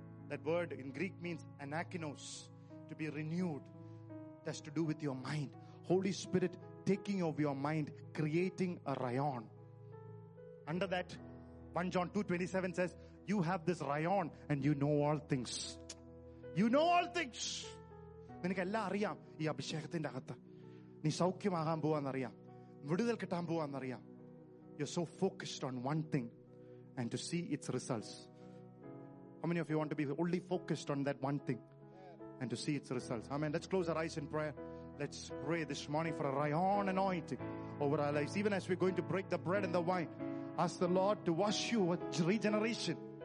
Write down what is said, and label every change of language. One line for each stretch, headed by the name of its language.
English: That word in Greek means anakinos, to be renewed. It has to do with your mind. Holy Spirit taking over your mind, creating a rayon. Under that, 1 John 2:27 says, you have this rayon and you know all things. You know all things.
Malayalam: നിനക്ക് എല്ലാം അറിയാം ഈ അഭിഷേകത്തിന്റെ അകത്ത്. നീ സൗഖ്യമാകാൻ പോവാന്നറിയാം, വിടുതൽ കിട്ടാൻ പോവാന്നറിയാം.
English: You're so focused on one thing and to see its results. How many of you want to be only focused on that one thing and to see its results? Amen. Let's close our eyes in prayer. Let's pray this morning for a rayon anointing over our lives. Even as we're going to break the bread and the wine, ask the Lord to wash you with regeneration.